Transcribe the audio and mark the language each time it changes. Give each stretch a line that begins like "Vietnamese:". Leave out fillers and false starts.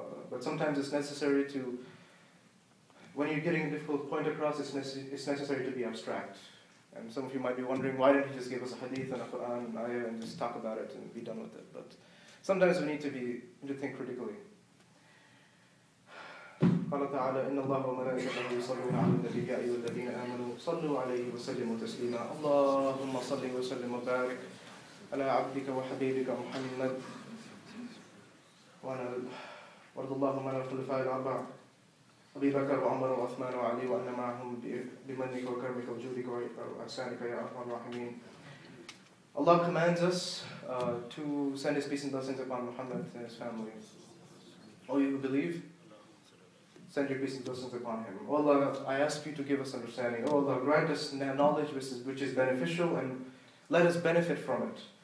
English: But sometimes it's necessary to, when you're getting a difficult point across, it's necessary to be abstract. And some of you might be wondering, why didn't he just give us a hadith and a Quran and ayah and just talk about it and be done with it? But sometimes we need to think critically.
Arabic: قال تعالى إن الله وملائكته يصلون على النبي يا أيها الذين آمنوا صلوا عليه وسلموا تسليما اللهم صل وسلم وبارك على عبدك وحبيبك محمد وعلى وارض اللهم على الخلفاء الأربعة أبي بكر وعمر وعثمان وعلي وأن معهم بمنك وكرمك وجودك وإحسانك يا أرحم الراحمين.
English: Allah commands us to send His peace and blessings upon Muhammad and his family. All you who believe, send your peace and blessings upon him. O Allah, I ask you to give us understanding. O Allah, grant us knowledge which is beneficial, and let us benefit from it.